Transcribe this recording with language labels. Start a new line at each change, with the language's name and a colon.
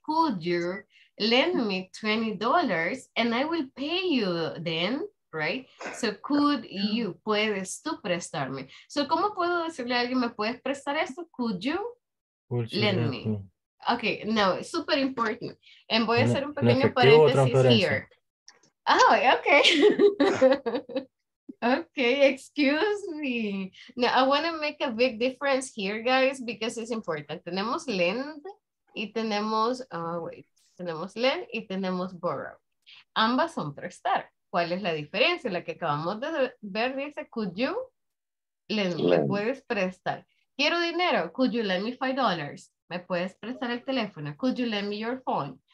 English: Could you lend me $20 and I will pay you then? Right? So could you,
Spanish: puedes tú prestarme. So ¿cómo puedo decirle a alguien, me puedes prestar esto?
English: Could you lend me? Okay, now, super important. And
Spanish: voy a hacer un pequeño paréntesis
English: here. Oh, okay. Okay, excuse me. Now, I want to make a big difference here, guys, because it's important.
Spanish: Tenemos lend y tenemos, tenemos lend y tenemos borrow. Ambas son prestar. ¿Cuál es la diferencia? La que acabamos de ver dice,
English: could you lend me,
Spanish: puedes prestar. Quiero dinero,
English: could you lend me $5?
Spanish: Me puedes prestar el teléfono,
English: could you lend me your phone?